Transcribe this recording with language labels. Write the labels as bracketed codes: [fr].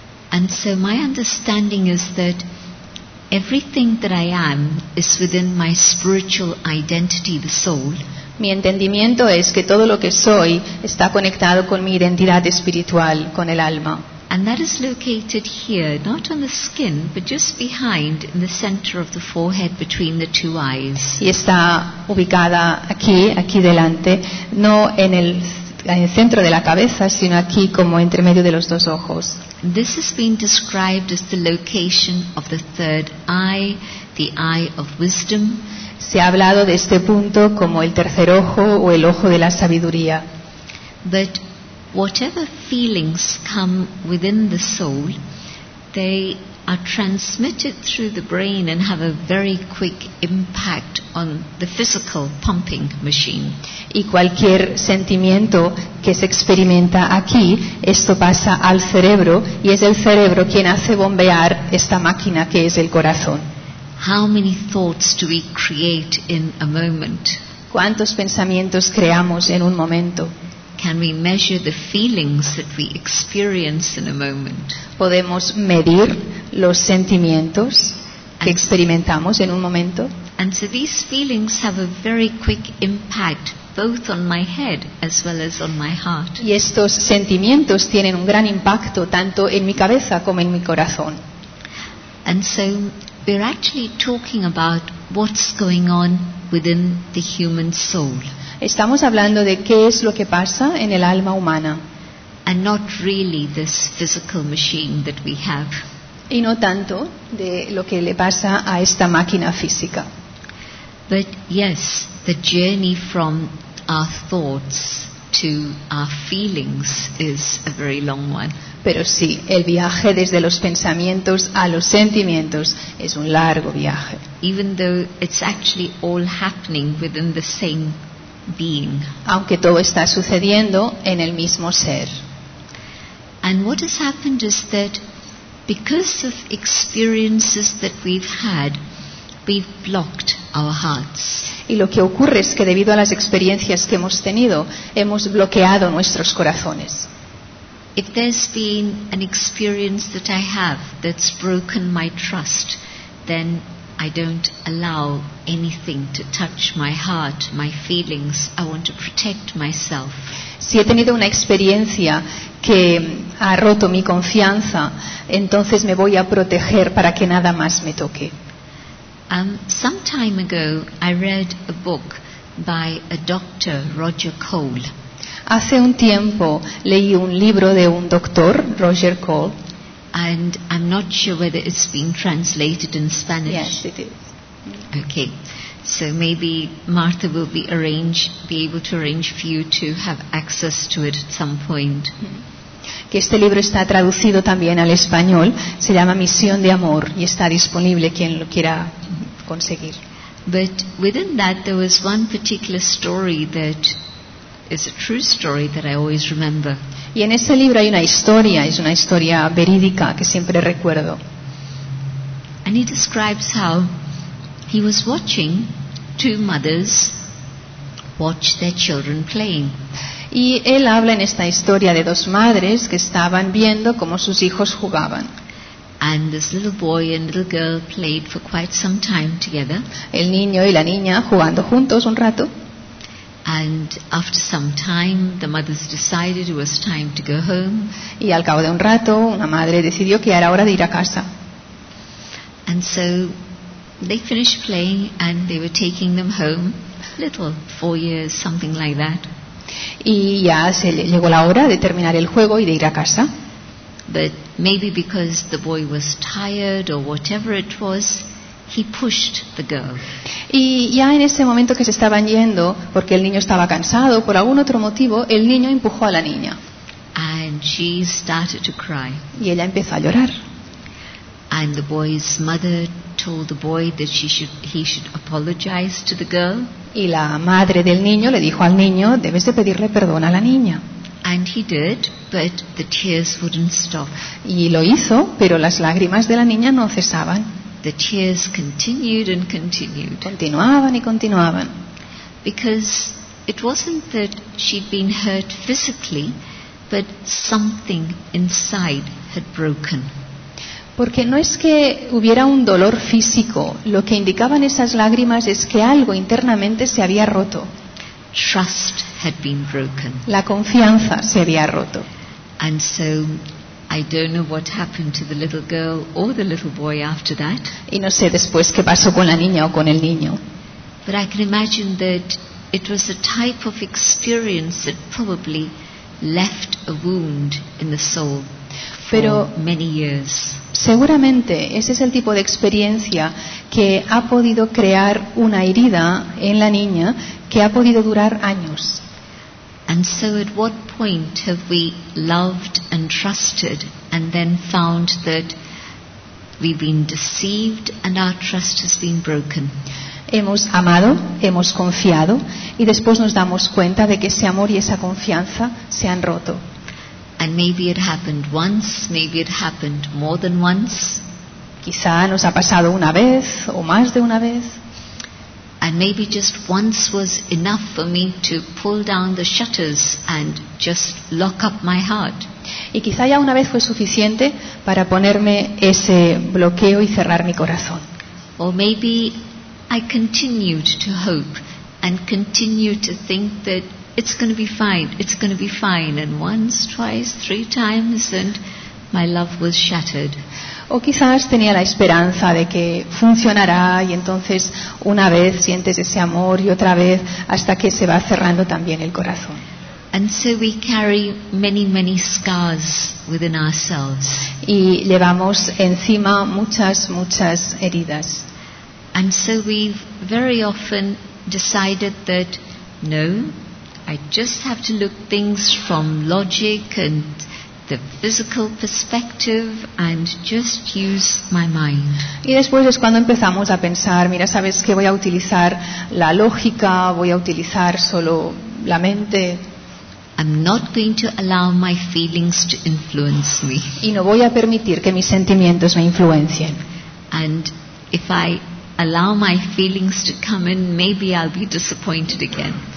[en] And so my understanding is that everything that I am is within my spiritual identity, the soul. [es] Mi entendimiento es que todo lo que soy está conectado con mi identidad espiritual, con el alma. [en] And that is located here, not on the skin, but just behind, in the center of the forehead, between the two eyes. [es] Y está ubicada aquí delante, no en el en el centro de la cabeza, sino aquí como entre medio de los dos ojos. [en] This has been described as the location of the third eye, the eye of wisdom. [es] Se ha hablado de este punto como el tercer ojo o el ojo de la sabiduría. [en] But whatever feelings come within the soul, they are transmitted through the brain and have a very quick impact on the physical pumping machine. [es] Y cualquier sentimiento que se experimenta aquí, esto pasa al cerebro y es el cerebro quien hace bombear esta máquina que es el corazón. [en] How many thoughts do we create in a moment? [es] ¿Cuántos pensamientos creamos en un momento? [en] Can we measure the feelings that we experience in a moment? [es] ¿Podemos medir los sentimientos que experimentamos en un momento? [en] And so these feelings have a very quick impact both on my head as well as on my heart. [es] Y estos sentimientos tienen un gran impacto tanto en mi cabeza como en mi corazón. [en] And so we're actually talking about what's going on within the human soul. [es] Estamos hablando de qué es lo que pasa en el alma humana. [en] And not really this physical machine that we have. [es] Y no tanto de lo que le pasa a esta máquina física. [en] But yes, the journey from our thoughts to our feelings is a very long one. [es] Pero sí, el viaje desde los pensamientos a los sentimientos es un largo viaje. [en] Even though it's actually all happening within the same being. [es] Aunque todo está sucediendo en el mismo ser. [en] And what has happened is that because of experiences that we've had, we've blocked our hearts. [es] Y lo que ocurre es que debido a las experiencias que hemos tenido, hemos bloqueado nuestros corazones. [en] If there's been an experience that I have that's broken my trust, then I don't allow anything to touch my heart, my feelings. I want to protect myself. [es] Si he tenido una experiencia que ha roto mi confianza, entonces me voy a proteger para que nada más me toque. [en] Some time ago, I read a book by a doctor, Roger Cole. [es] Hace un tiempo leí un libro de un doctor, Roger Cole. [en] And I'm not sure whether it's been translated in Spanish. Yes, it is. Okay. So maybe Martha will be able to arrange for you to have access to it at some point. [es] Que este libro está traducido también al español. Se llama Misión de Amor y está disponible quien lo quiera conseguir. [en] But within that there was one particular story that is a true story that I always remember. [es] Y en ese libro hay una historia, es una historia verídica que siempre recuerdo. [en] And he describes how he was watching two mothers watch their children playing. [es] Y él habla en esta historia de dos madres que estaban viendo cómo sus hijos jugaban. [en] And this little boy and little girl played for quite some time together. [es] El niño y la niña jugando juntos un rato. [en] And after some time, the mothers decided it was time to go home. [es] Y al cabo de un rato, una madre decidió que era hora de ir a casa. [en] And so they finished playing and they were taking them home, little 4 years, something like that. [es] Y ya se llegó la hora de terminar el juego y de ir a casa. [en] But maybe because the boy was tired or whatever it was, he pushed the girl. [es] Y ya en ese momento que se estaban yendo, porque el niño estaba cansado, por algún otro motivo, el niño empujó a la niña. [en] And she started to cry. [es] Y ella empezó a llorar. [en] And the boy's mother told the boy that he should apologize to the girl. [es] Y la madre del niño le dijo al niño, debes de pedirle perdón a la niña. [en] And he did, but the tears wouldn't stop. [es] Y lo hizo, pero las lágrimas de la niña no cesaban. [en] The tears continued and continued. [es] Continuaban y continuaban. [en] Because it wasn't that she'd been hurt physically, but something inside had broken. [es] Porque no es que hubiera un dolor físico, lo que indicaban esas lágrimas es que algo internamente se había roto. [en] Trust had been broken. [es] La confianza se había roto. [en] And so I don't know what happened to the little girl or the little boy after that. [es] Y no sé después qué pasó con la niña o con el niño. [en] But I can imagine that it was a type of experience that probably left a wound in the soul for many years. [es] Seguramente ese es el tipo de experiencia que ha podido crear una herida en la niña que ha podido durar años. [en] And so at what point have we loved and trusted and then found that we've been deceived and our trust has been broken? [es] Hemos amado, hemos confiado y después nos damos cuenta de que ese amor y esa confianza se han roto. [en] And maybe it happened once, maybe it happened more than once. [es] Quizá nos ha pasado una vez o más de una vez. [en] And maybe just once was enough for me to pull down the shutters and just lock up my heart. [es] Y quizá ya una vez fue suficiente para ponerme ese bloqueo y cerrar mi corazón. [en] Or maybe I continued to hope and continued to think that it's going to be fine, it's going to be fine, and once, twice, three times, and my love was shattered. [es] O quizás tenía la esperanza de que funcionará y entonces una vez sientes ese amor y otra vez hasta que se va cerrando también el corazón. [en] And so we carry many, many scars within ourselves. [es] Y llevamos encima muchas, muchas heridas. [en] And so we've very often decided that no, I just have to look things from logic and the physical perspective and just use my mind. [es] Y después es cuando empezamos a pensar, mira, sabes que voy a utilizar la lógica, voy a utilizar solo la mente. [en] I'm not going to allow my feelings to influence me. [es] Y no voy a permitir que mis sentimientos me influencien. [en] And if I allow my feelings to come in, maybe I'll be disappointed again.